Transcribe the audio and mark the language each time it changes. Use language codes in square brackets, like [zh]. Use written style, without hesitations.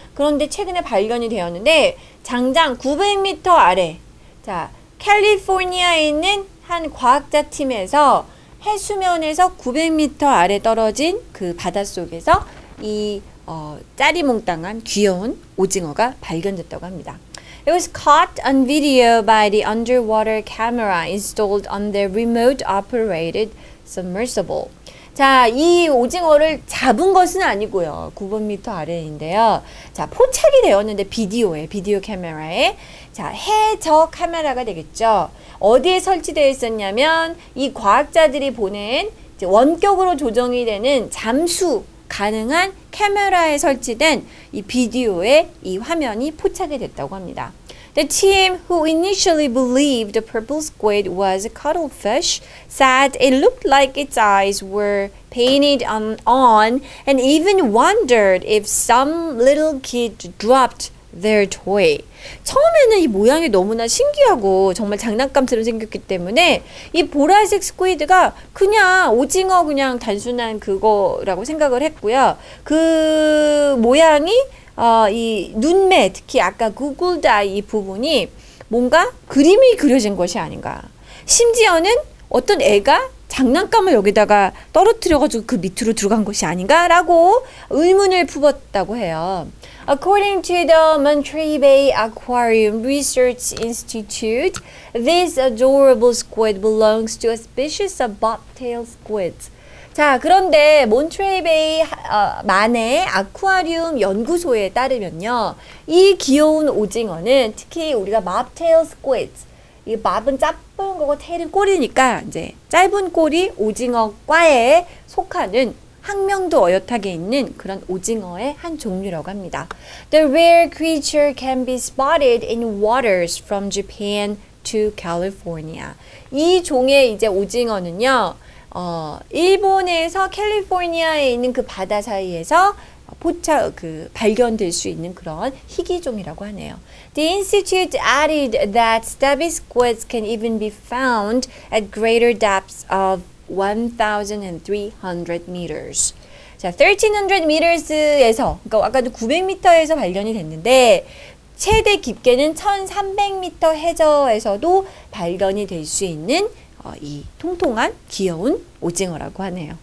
[ko] 그런데 최근에 발견이 되었는데 장장 900m 아래 자 캘리포니아에 있는 한 과학자 팀에서 해수면에서 900m 아래 떨어진 그 바닷속에서 이 짜리몽땅한 귀여운 오징어가 발견됐다고 합니다. [en] It was caught on video by the underwater camera installed on their remote-operated submersible. [ko] 자, 이 오징어를 잡은 것은 아니고요. 900m 아래인데요. 자, 포착이 되었는데 비디오에, 비디오 카메라에. 자, 해저 카메라가 되겠죠. 어디에 설치되어 있었냐면 이 과학자들이 보낸 이제 원격으로 조정이 되는 잠수 가능한 카메라에 설치된 이 비디오에 이 화면이 포착이 됐다고 합니다. [en] The team who initially believed the purple squid was a cuttlefish said it looked like its eyes were painted on and even wondered if some little kid dropped their toy. [ko] 처음에는 이 모양이 너무나 신기하고 정말 장난감처럼 생겼기 때문에 이 보라색 스퀴드가 그냥 오징어 그냥 단순한 그거라고 생각을 했고요. 그 모양이 이 눈매 특히 아까 구글드 아이 이 부분이 뭔가 그림이 그려진 것이 아닌가. 심지어는 어떤 애가 장난감을 여기다가 떨어뜨려가지고 그 밑으로 들어간 것이 아닌가? 라고 의문을 품었다고 해요. [en] According to the Monterey Bay Aquarium Research Institute, this adorable squid belongs to a species of bobtailed squids. [ko] 자, 그런데 Monterey Bay 만의 아쿠아리움 연구소에 따르면요. 이 귀여운 오징어는 특히 우리가 bobtailed squids, 이 밥은 짧은 거고 테일은 꼬리니까 이제 짧은 꼬리 오징어과에 속하는 학명도 어엿하게 있는 그런 오징어의 한 종류라고 합니다. [en] The rare creature can be spotted in waters from Japan to California. [ko] 이 종의 이제 오징어는요. 일본에서 캘리포니아에 있는 그 바다 사이에서 발견될 수 있는 그런 희귀종이라고 하네요. [en] The institute added that stubby squids can even be found at greater depths of 1,300 meters. [ko] 자, 1,300 meters에서 그러니까 아까도 900m에서 발견이 됐는데 최대 깊게는 1,300m 해저에서도 발견이 될 수 있는 이 통통한 귀여운 오징어라고 하네요.